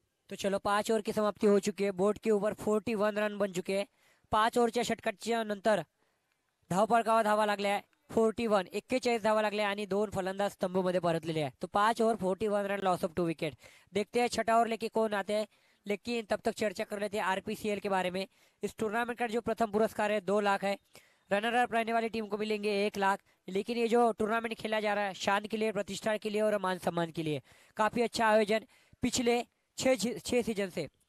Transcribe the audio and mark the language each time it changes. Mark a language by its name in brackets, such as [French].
[Hindi] तो चलो 5 ओवर की समाप्ति हो चुकी है, बोर्ड के ऊपर 41 रन बन चुके हैं। [Marathi] 5 ओवर च्या षटकाच्या नंतर धावपळकावर धावा लागल्या, 41 41 धावा लागल्या आणि 2 फलंदाज स्तंभ मध्ये परतलेले आहेत। [Hindi] तो 5 over 41 run loss of 2 wicket. देखते हैं छठावर लेके कौन आते हैं, लेकिन तब तक चर्चा कर लेते हैं RPCL के बारे में। इस टूर्नामेंट का जो प्रथम पुरस्कार है 2 लाख है, रनर अप रहने वाली टीम को मिलेंगे 1 लाख। लेकिन ये जो टूर्नामेंट खेला जा रहा है शान के लिए, प्रतिष्ठा के लिए और मान सम्मान के लिए, काफी अच्छा आयोजन पिछले 6 सीजन से।